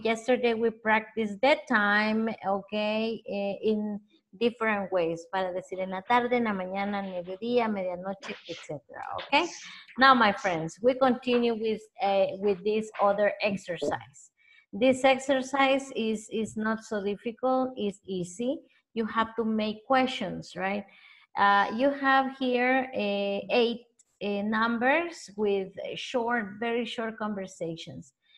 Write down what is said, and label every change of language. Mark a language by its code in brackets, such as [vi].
[en] Yesterday we practiced that time, okay, in different ways. [es] Para decir en la tarde, en la mañana, en mediodía, medianoche, etc. [en] Okay? Now, my friends, we continue with this other exercise. This exercise is not so difficult, it's easy. You have to make questions, right? You have here eight numbers with short, very short conversations.